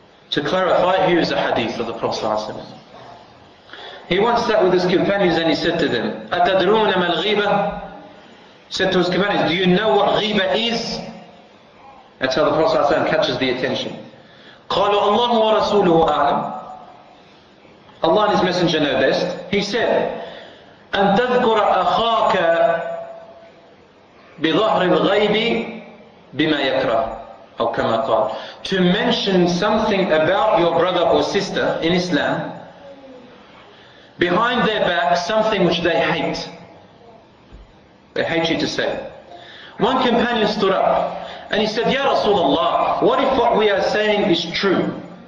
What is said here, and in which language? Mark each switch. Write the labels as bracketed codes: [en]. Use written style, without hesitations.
[en] To clarify, here is a hadith of the Prophet ﷺ. He once sat with his companions and he said to them, [ar] أَتَدْرُونَ مَا الْغِيبَةِ [en] Said to his companions, do you know what ghiba is? That's how the Prophet ﷺ catches the attention. [ar] قَالُوا أَلَّهُ وَرَسُولُهُ أَعْلَمُ [en] Allah and His Messenger know best. He said, [ar] أَن تَذْكُرَ أَخَاكَ بِظَهْرِ الْغَيْبِ بِمَا يَكْرَهُ أو كما قال. [en] To mention something about your brother or sister in Islam, behind their back, something which they hate. They hate you to say. One companion stood up and he said, Ya Rasulullah, what if what we are saying is true?